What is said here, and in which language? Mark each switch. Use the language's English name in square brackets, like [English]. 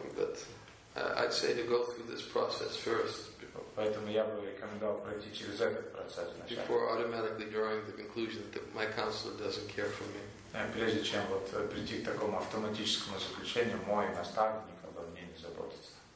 [English] But I'd say to go through this process first. [Russian] Поэтому я бы рекомендовал пройти через этот процесс вначале. [English] Before automatically drawing the conclusion that my counselor doesn't care for me. [Russian] Прежде чем вот прийти к такому автоматическому заключению, мой наставник обо мне не заботится.